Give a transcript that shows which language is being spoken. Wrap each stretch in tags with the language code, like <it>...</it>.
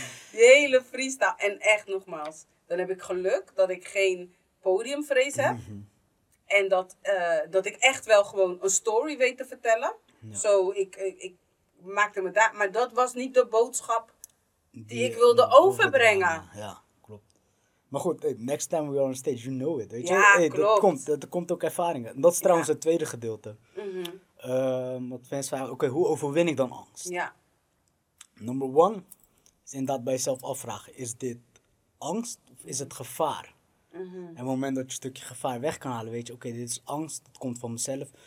<nl>Die hele freestyle. En echt, nogmaals, dan heb ik geluk dat ik geen podiumvrees heb. Mm-hmm. En dat ik echt wel gewoon een story weet te vertellen. Ja. Zo, ik maakte me daar, maar dat was niet de boodschap die ik wilde overbrengen. Ja, klopt. Maar goed,</nl> <en>next time we are on stage, you know it.</en> <nl>Weet ja, je? Klopt. Dat komt ook ervaringen. Dat is trouwens het tweede gedeelte. Mm-hmm. Wat mensen vragen, oké, hoe overwin ik dan angst? Ja.</nl> <en>Number one</en> <nl>is inderdaad bij jezelf afvragen, is dit angst of is het gevaar? Mm-hmm. En op het moment dat je een stukje gevaar weg kan halen, weet je, oké, dit is angst, dat komt van mezelf.</nl>